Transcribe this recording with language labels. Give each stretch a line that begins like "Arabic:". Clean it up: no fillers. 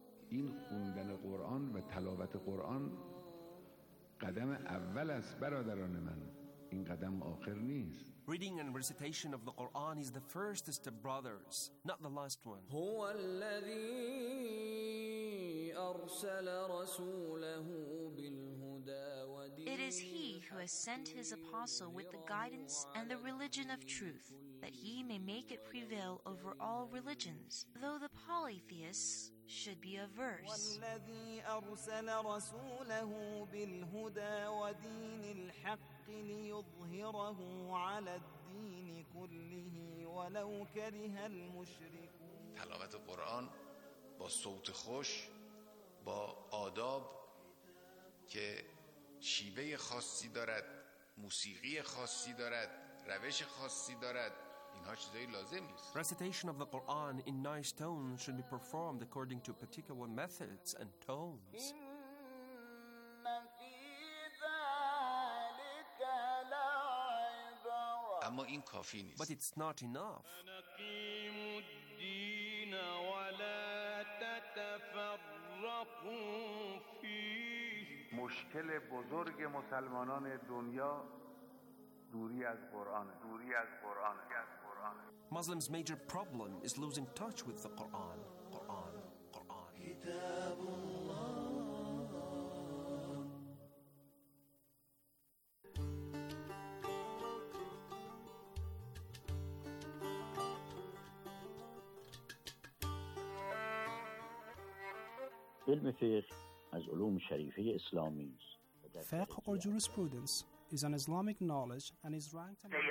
Persian: این خوندن قرآن و تلاوت قرآن قدم اول است برادران من، این قدم آخر نیست.
English: Reading and recitation of the Quran is the first step, brothers, not the last one.
Arabic: هو الذي أرسل رسوله بالهدى ودين.
English: It is he who has sent his apostle with the guidance and the religion of truth, that he may make it prevail over all religions, though the polytheists should be averse.
Arabic: والذي أرسل رسوله بالهدى ودين الحق ليظهره على الدين كله ولو كره المشركون.
Persian: تلاوت قرآن با صوت خوش، با آداب که شیوه خاصی دارد، موسیقی خاصی دارد، روش خاصی دارد، اینها چیزایی لازم است.
English: Recitation of the Quran in nice tones should be performed according to particular methods and tones.
Persian: اما این کافی نیست.
English: But it's not enough.
Persian: مشکل بزرگ مسلمانان دنیا دوری از قرآن. دوری از قرآن. از قرآن.
English: Muslims' major problem is losing touch with the Quran. Quran. Quran.
Arabic: کتاب الله.
Persian: علم فقه از علوم شریفه اسلامی است.
English: فقه or jurisprudence is an Islamic knowledge and is ranked